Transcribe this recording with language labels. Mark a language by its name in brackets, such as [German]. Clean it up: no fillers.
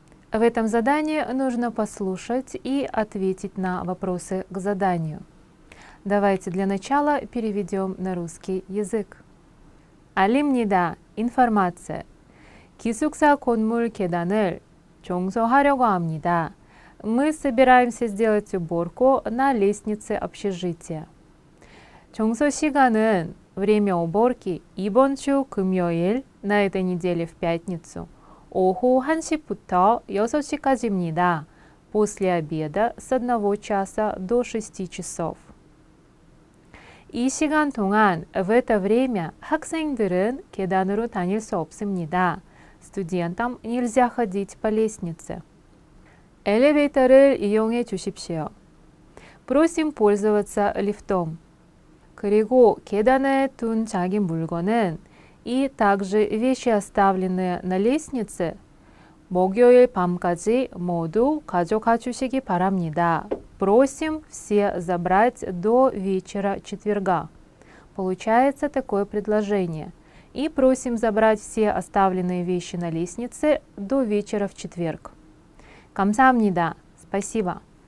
[Russian] В этом задании нужно послушать и ответить на вопросы к заданию. Давайте для начала переведем на русский язык. Алимнида. Информация. [Korean] 기숙사 건물 계단을 청소하려고 합니다. [Russian] Мы собираемся сделать уборку на лестнице общежития. [Korean] 청소 시간은 [Russian] время уборки [Korean] 이번 주 금요일 [Russian] на этой неделе в пятницу. [Korean] 오후 1시부터 6시까지입니다. [Russian] После обеда с 1 часа до 6 часов. [Korean] 이 시간 동안, [Russian] в это время, [Korean] 학생들은 계단으로 다닐 수 없습니다. [Russian] Студентам нельзя ходить по лестнице. [Korean] 엘리베이터를 이용해 주십시오. [Russian] Просим пользоваться лифтом. [Korean] 그리고 계단에 둔 자기 물건은 [Russian] и также вещи, оставленные на лестнице, [Korean] 목요일 밤까지 모두 가져가 주시기 바랍니다. [Russian] Просим все забрать до вечера четверга. Получается такое предложение. И просим забрать все оставленные вещи на лестнице до вечера в четверг. [Korean] 감사합니다. Спасибо.